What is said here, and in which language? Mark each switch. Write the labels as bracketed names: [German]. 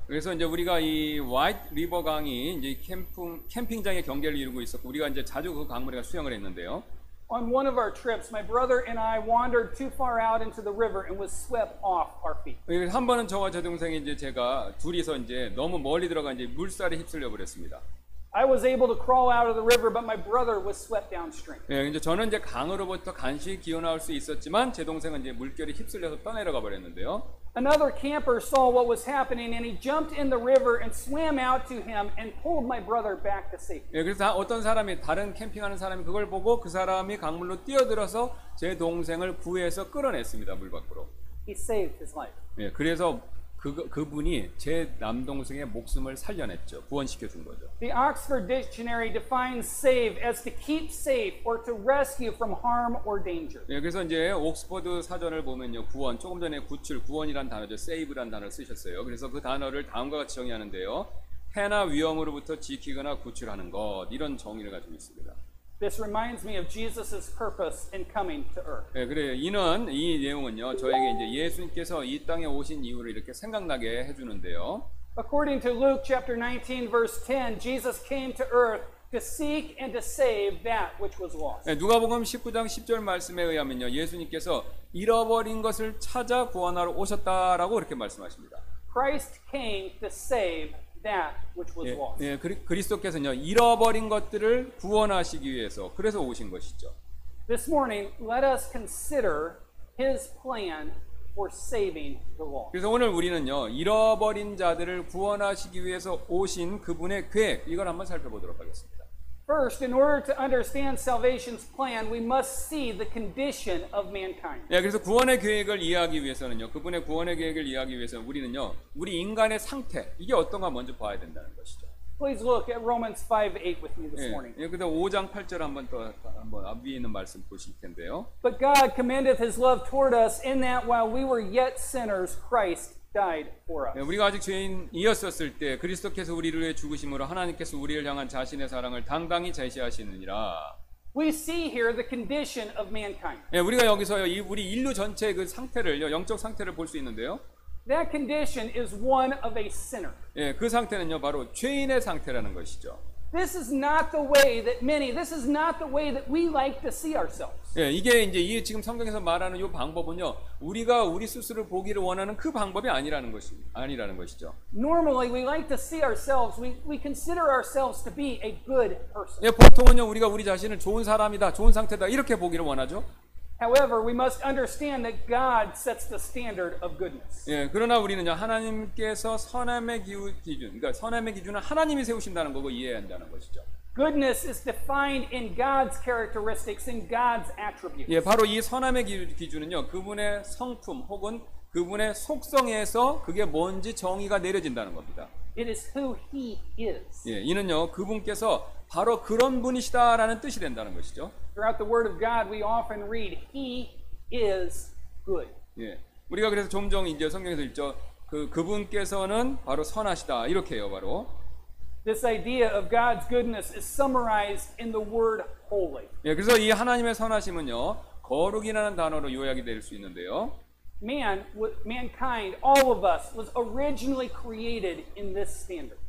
[Korean] 그래서 이제 우리가 이 White River 강이 이제 캠핑장의 경계를 이루고 있었고 우리가 이제 자주 그 강물에 수영을 했는데요. [English] On one of our trips, my brother and I wandered too far out into the river and was swept off our feet. [Korean] 예, 한 번은 저와 제 동생이 이제 제가 둘이서 이제 너무 멀리 들어가 이제 물살에 휩쓸려 버렸습니다. [English] I was able to crawl out of the river, but my brother was swept downstream. [Korean] 예, 이제 저는 이제 강으로부터 간신히 기어나올 수 있었지만 제 동생은 이제 물결에 휩쓸려서 떠내려가 버렸는데요. [English] Another camper saw what was happening, and he jumped in the river and swam out to him and pulled my brother back to safety. [Korean] 예, 그래서 어떤 사람이 다른 캠핑하는 사람이 그걸 보고 그 사람이 강물로 뛰어들어서 제 동생을 구해서 끌어냈습니다 물 밖으로. [English] He saved his life. [Korean] 예, 그래서 그분이 제 남동생의 목숨을 살려냈죠. 구원시켜 준 거죠. [English] The Oxford Dictionary defines save as to keep safe or to rescue from harm or danger. [Korean] 예, 그래서 이제 옥스퍼드 사전을 보면요. 구원, 조금 전에 구출, 구원이란 단어죠. save란 단어를 쓰셨어요. 그래서 그 단어를 다음과 같이 정의하는데요. 해나 위험으로부터 지키거나 구출하는 것. 이런 정의를 가지고 있습니다. [English] This reminds me of Jesus's purpose in coming to earth. [Korean] 예, 그래요. 이는 이 내용은요. 저에게 이제 예수님께서 이 땅에 오신 이유를 이렇게 생각나게 해 주는데요. [English] According to Luke chapter 19 verse 10, Jesus came to earth to seek and to save that which was lost. [Korean] 예, 누가복음 19장 10절 말씀에 의하면요. 예수님께서 잃어버린 것을 찾아 구원하러 오셨다라고 이렇게 말씀하십니다. [English] Christ came to save that which was lost. [Korean] 예, 예, 그리스도께서는요. 잃어버린 것들을 구원하시기 위해서 그래서 오신 것이죠. [English] This morning let us consider his plan for saving the lost. [Korean] 그래서 오늘 우리는요. 잃어버린 자들을 구원하시기 위해서 오신 그분의 계획 이걸 한번 살펴보도록 하겠습니다. [English] First, in order to understand salvation's plan, we must see the condition of mankind. [Korean] 예, 그래서 구원의 계획을 이해하기 위해서는요, 그분의 구원의 계획을 이해하기 위해서 우리는요, 우리 인간의 상태 이게 어떤가 먼저 봐야 된다는 것이죠. [English] Please look at Romans 5:8 with me this morning. [Korean] 예, 근데 5장 8절 한번 또 한번 앞뒤에 있는 말씀 보실 텐데요. [English] But God commendeth His love toward us in that while we were yet sinners, Christ died for us. [Korean] 예, 우리가 아직 죄인이었었을 때 그리스도께서 우리를 위해 죽으심으로 하나님께서 우리를 향한 자신의 사랑을 당당히 제시하시느니라. [English] We see here the condition of mankind. [Korean] 예, 우리가 여기서 이 우리 인류 전체의 그 상태를요, 영적 상태를 볼 수 있는데요. [English] That condition is one of a sinner. [Korean] 예, 그 상태는요 바로 죄인의 상태라는 것이죠. [English] This is not the way that many. This is not the way that we like to see ourselves. [Korean] 예, 이게 이제 이 지금 성경에서 말하는 이 방법은요 우리가 우리 스스로 보기를 원하는 그 방법이 아니라는 것이 아니라는 것이죠. [English] Normally, we like to see ourselves. We consider ourselves to be a good person. [Korean] 예, 보통은요 우리가 우리 자신을 좋은 사람이다, 좋은 상태다 이렇게 보기를 원하죠. [English] However, we must understand that God sets the standard of goodness. [Korean] 예, 그러나 우리는요 하나님께서 선함의 기준, 그러니까 선함의 기준은 하나님이 세우신다는 거고 이해한다는 것이죠. [English] Goodness is defined in God's characteristics, in God's attributes. [Korean] 예, 바로 이 선함의 기준은요 그분의 성품 혹은 그분의 속성에서 그게 뭔지 정의가 내려진다는 겁니다. [English] It is who He is. [Korean] 예, 이는요 그분께서 바로 그런 분이시다라는 뜻이 된다는 것이죠. [English] Throughout the Word of God, we often read, "He is good." [Korean] 예, 우리가 그래서 종종 이제 성경에서 읽죠. 그분께서는 바로 선하시다 이렇게요, 바로. [English] This idea of God's goodness is summarized in the word "holy." [Korean] 예, 그래서 이 하나님의 선하심은요, 거룩이라는 단어로 요약이 될 수 있는데요. [English] Mankind, all of us, was originally created in this standard.